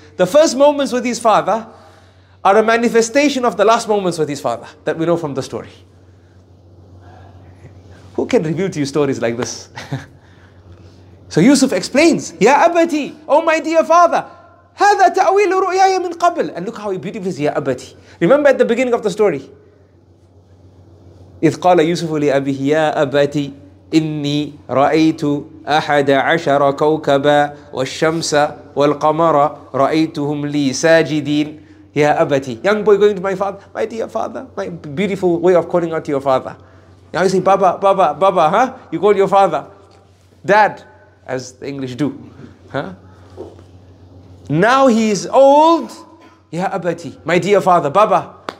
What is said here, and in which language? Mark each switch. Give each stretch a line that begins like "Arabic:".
English: The first moments with his father are a manifestation of the last moments with his father that we know from the story. Who can reveal to you stories like this? So Yusuf explains, Ya Abati, oh my dear father,
Arabic: هذا تأويل رؤياي من قبل.
English: And look how beautiful it is, Ya Abati. Remember at the beginning of the story,
Arabic: إذ قال يوسف لأبيه يا أبتي إني رأيت أحد عشر كوكبا والشمس والقمر رأيتهم لي ساجدين. يا أبتي.
English: Young boy going to my father. My dear father. My beautiful way of calling out to your father. Now you say, Baba, Baba, Baba, huh? You call your father. Dad, as the English do. Huh? Now he is old. Ya Abati, my dear father, Baba.